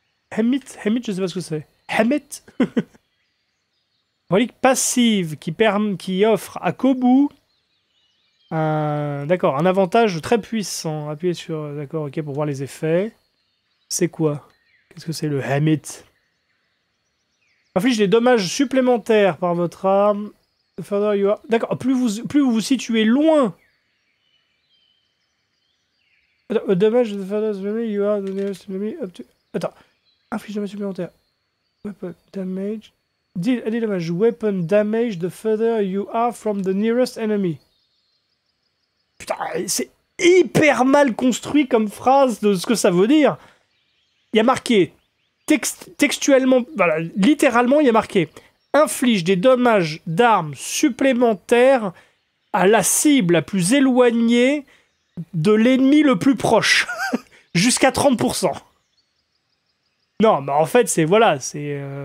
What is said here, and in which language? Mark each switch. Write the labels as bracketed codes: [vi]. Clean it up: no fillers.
[fr] Hemit, je sais pas ce que c'est. Hemit? Relique passive qui offre à Kobu un avantage très puissant. Appuyez sur d'accord, ok, pour voir les effets. C'est quoi? Qu'est-ce que c'est le Hemit? Inflige des dommages supplémentaires par votre arme. [en] Further you are... [fr] D'accord, plus vous situez loin. Dommage de [en] further enemy, you are the nearest enemy up to. [fr] Attends, inflige des dommages supplémentaires. [en] Weapon damage. Deal damage, weapon damage the further you are from the nearest enemy. [fr] Putain, c'est hyper mal construit comme phrase de ce que ça veut dire. Il y a marqué, textuellement, voilà, littéralement, il y a marqué « Inflige des dommages d'armes supplémentaires à la cible la plus éloignée de l'ennemi le plus proche, jusqu'à 30%. » Non, mais en fait, c'est, voilà, c'est...